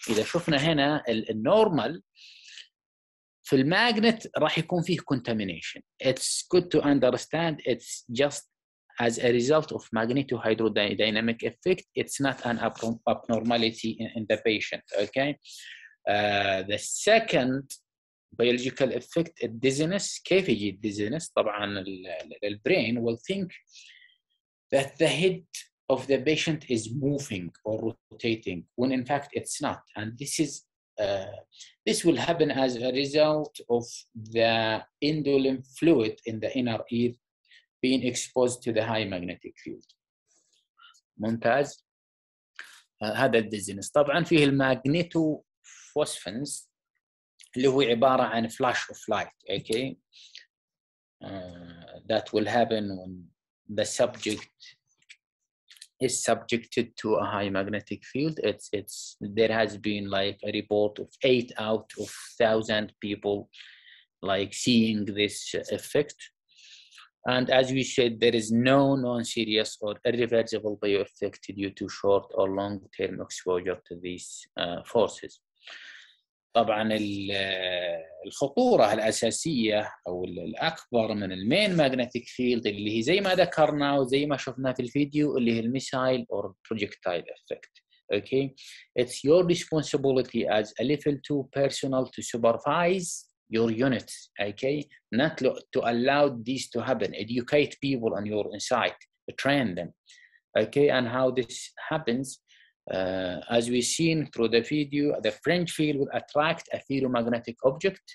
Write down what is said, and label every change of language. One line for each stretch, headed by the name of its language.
Arabic: إذا شفنا هنا النورمال في الماجنت راح يكون فيه contamination.
English: It's good to understand it's just as a result of magnetohydrodynamic effect. It's not an abnormality in the patient, okay? The second biological effect, a dizziness, KVG dizziness, طبعا ال brain will think that the head of the patient is moving or rotating when in fact it's not. And this is this will happen as a result of the indolent fluid in the inner ear being exposed to the high magnetic field.
Arabic: ممتاز. هذا الديزنس. طبعا فيه الماغنيتو فوسفنز اللي هو عبارة عن
English: flash of light. Okay. That will happen when the subject is subjected to a high magnetic field. It's there has been like a report of 8 out of 1,000 people like seeing this effect. And as we said, there is no non-serious or irreversible bio effect due to short or long-term exposure to these forces.
Arabic: طبعا الخطورة الأساسية أو الأكبر من المين ماغنتيك فيلد اللي هي زي ما ذكرنا وزي ما شفنا في الفيديو اللي هي الميسايل أو البروجكتايل إفكت.
English: Okay, it's your responsibility as a level 2 personnel to supervise your unit. Okay, not to allow these to happen. Educate people on your insight, train them. Okay, and how this happens. As we've seen through the video, the fringe field will attract a ferromagnetic object.